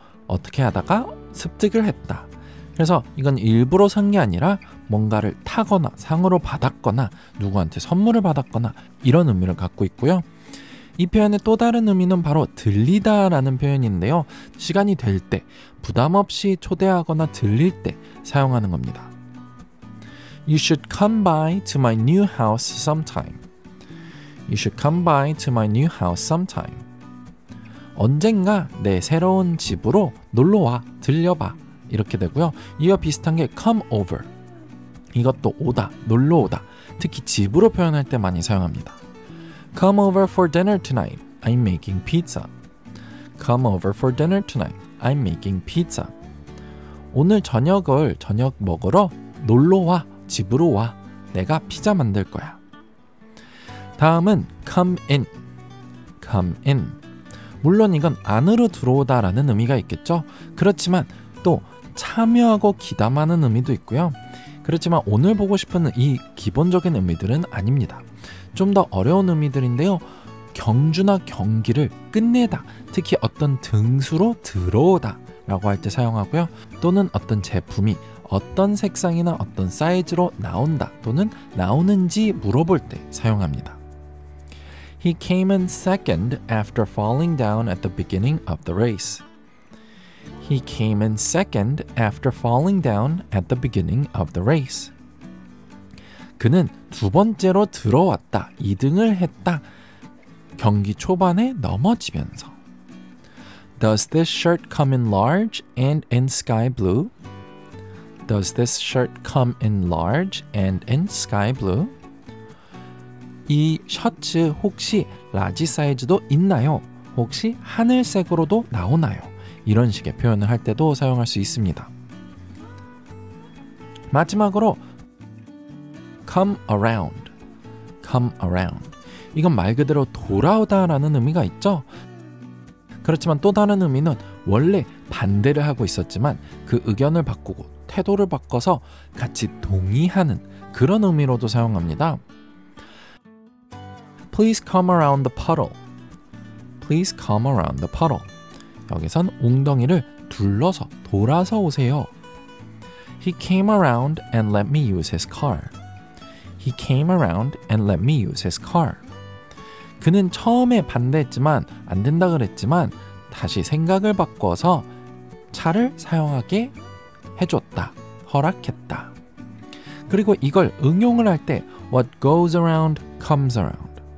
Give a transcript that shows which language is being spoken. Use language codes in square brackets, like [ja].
[ko] 어떻게 하다가 습득을 했다. 그래서 이건 일부러 산 게 아니라 뭔가를 타거나 상으로 받았거나 누구한테 선물을 받았거나 이런 의미를 갖고 있고요. 이 표현의 또 다른 의미는 바로 들리다 라는 표현인데요. 시간이 될 때, 부담 없이 초대하거나 들릴 때 사용하는 겁니다. [en] You should come by to my new house sometime. You should come by to my new house sometime. [ko] 언젠가 내 새로운 집으로 놀러와, 들려봐, 이렇게 되고요. 이와 비슷한 게 come over. 이것도 오다, 놀러오다, 특히 집으로 표현할 때 많이 사용합니다. [en] Come over for dinner tonight. I'm making pizza. Come over for dinner tonight. I'm making pizza. [ko] 오늘 저녁을 저녁 먹으러 놀러 와, 집으로 와. 내가 피자 만들 거야. 다음은 come in. Come in. 물론 이건 안으로 들어오다 라는 의미가 있겠죠. 그렇지만 또 참여하고 기담하는 의미도 있고요. 그렇지만 오늘 보고 싶은 이 기본적인 의미들은 아닙니다. 좀 더 어려운 의미들인데요. 경주나 경기를 끝내다, 특히 어떤 등수로 들어오다 라고 할 때 사용하고요. 또는 어떤 제품이 어떤 색상이나 어떤 사이즈로 나온다 또는 나오는지 물어볼 때 사용합니다. [en] He came in second after falling down at the beginning of the race. He came in second after falling down at the beginning of the race. [ko] 그는 두 번째로 들어왔다, 2등을 했다, 경기 초반에 넘어지면서. [en] Does this shirt come in large and in sky blue? Does this shirt come in large and in sky blue? [ko] 이 셔츠 혹시 라지 사이즈도 있나요? 혹시 하늘색으로도 나오나요? 이런 식의 표현을 할 때도 사용할 수 있습니다. 마지막으로 come around. come around. 이건 말 그대로 돌아오다 라는 의미가 있죠. 그렇지만 또 다른 의미는 원래 반대를 하고 있었지만 그 의견을 바꾸고 태도를 바꿔서 같이 동의하는 그런 의미로도 사용합니다. [en] Please come around the puddle. Please come around the puddle. [ko] 여기선 웅덩이를 둘러서 돌아서 오세요. [en] He came around and let me use his car. He came around and let me use his car. [ko] 그는 처음에 반대했지만 안 된다 그랬지만 다시 생각을 바꿔서 차를 사용하게 해줬다, 허락했다. 그리고 이걸 응용을 할 때 [en] What goes around comes around.